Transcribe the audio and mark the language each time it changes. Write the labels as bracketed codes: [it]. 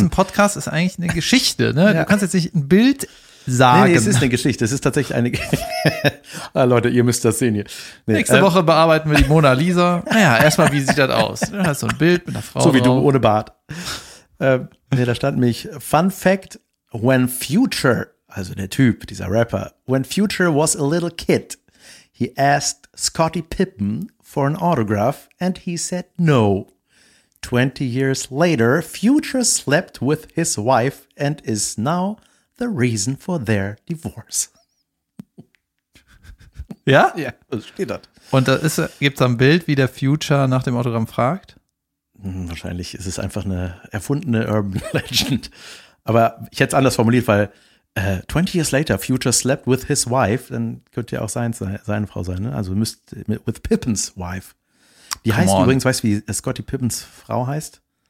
[de] Ist ein Podcast, ist eigentlich eine Geschichte, ne? Ja. Du kannst jetzt nicht ein Bild sagen. Nee, es ist eine Geschichte. Es ist tatsächlich eine Geschichte. Leute, ihr müsst das sehen hier. Nee, nächste Woche bearbeiten wir die Mona Lisa. Naja, erstmal, wie sieht das aus? Du hast so ein Bild mit einer Frau. So wie drauf. Du, ohne Bart. Nee, da stand nämlich Fun Fact. [en] When Future, [de] also der Typ, dieser Rapper, [en] when Future was a little kid, he asked Scottie Pippen for an autograph and he said no. 20 years later, Future slept with his wife and is now the reason for their divorce. [de] Ja? Ja, das steht dort. Und da gibt es ein Bild, wie der Future nach dem Autogramm fragt? Wahrscheinlich ist es einfach eine erfundene Urban Legend. Aber ich hätte es anders formuliert, weil [en] 20 years later, Future slept with his wife, [de] dann könnte ja auch seine Frau sein, ne? Also müsste [en] with Pippins wife. [de] Die Come heißt on. Übrigens, weißt du, wie Scottie Pippins Frau heißt?